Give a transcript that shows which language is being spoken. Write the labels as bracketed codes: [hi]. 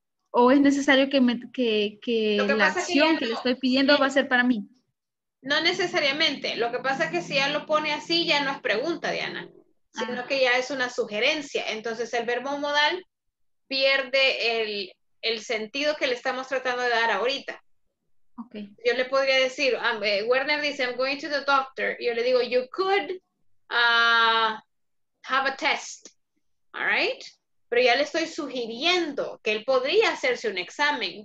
[es] ¿O es necesario que la acción que le estoy pidiendo va a ser para mí? No necesariamente. Lo que pasa es que si ya lo pone así, ya no es pregunta, Diana, sino que ya es una sugerencia. Entonces, el verbo modal pierde el sentido que le estamos tratando de dar ahorita. Okay. Yo le podría decir, Werner dice, [en] I'm going to the doctor. [es] Yo le digo, [en] you could have a test. All right? [es] Pero ya le estoy sugiriendo que él podría hacerse un examen.